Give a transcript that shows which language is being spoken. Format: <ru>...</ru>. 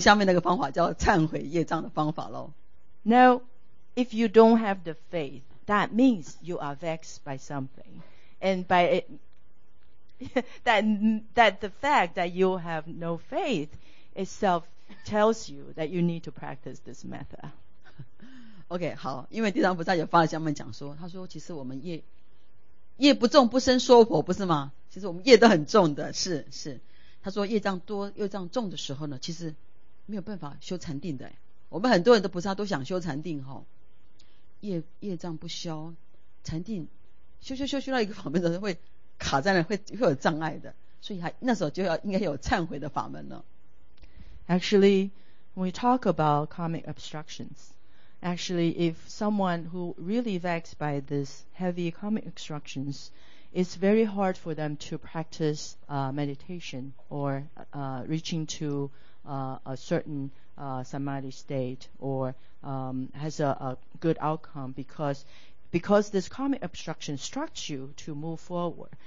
<zh>假如你对地藏法门没有信心，那就是表示有业障喽。那有业障的时候，我们就要用下面那个方法，叫忏悔业障的方法喽。</zh> <en>Now, if you don't have the faith, that means you are vexed by something, and by that the fact that you have no faith itself tells you that you need to practice this method.</en> <zh>OK, 好，因为地藏菩萨有发了下面讲说，他说其实我们业不重不生说佛，不是吗？其实我们业都很重的，是，他说业障多又障重的时候呢，其实没有办法修禅定的，我们很多人都菩萨都想修禅定，业障不消，禅定修修修修到一个法门的时候会卡在了，会有障碍的，所以还那时候就要应该有忏悔的法门了。</zh> <en>Actually, when we talk about karmic obstructions, actually, if someone who really vexed by this heavy karmic obstructions, it's very hard for them to practice meditation or reaching to a certain samadhi state or has a good outcome because this karmic obstruction instructs you to move forward.</en>